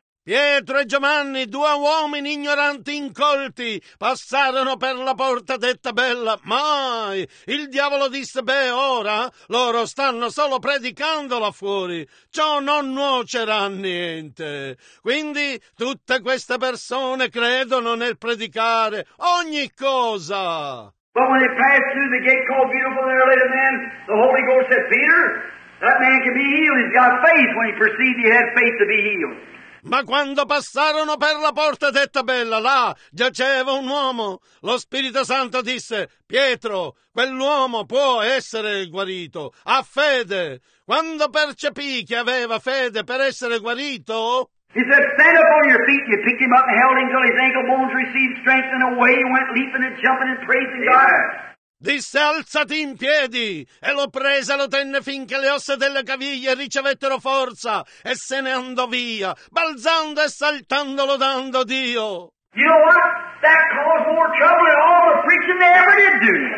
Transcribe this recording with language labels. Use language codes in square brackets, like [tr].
[it] Pietro e Giovanni, due uomini ignoranti incolti, passarono per la porta detta bella. Mai! Il diavolo disse, beh, ora loro stanno solo predicando là fuori. Ciò non nuocerà niente. Quindi tutte queste persone credono nel predicare ogni cosa. [en] But when they passed through the gate called Beautiful, there lay a man, the Holy Ghost said, Peter, that man can be healed. He's got faith. When he perceived he had faith to be healed. [it] Ma quando passarono per la porta detta bella, là giaceva un uomo. Lo Spirito Santo disse, Pietro, quell'uomo può essere guarito, ha fede. Quando percepì che aveva fede per essere guarito, [en] he said, stand up on your feet. You picked him up and held him till his ankle bones received strength, and away he went leaping and jumping and praising God. [it] Disse, alzati in piedi, e lo prese e lo tenne finché le ossa delle caviglie ricevettero forza, e se ne andò via, balzando e saltando lodando Dio. [en] You know what? That caused more trouble than all the preaching they ever did do.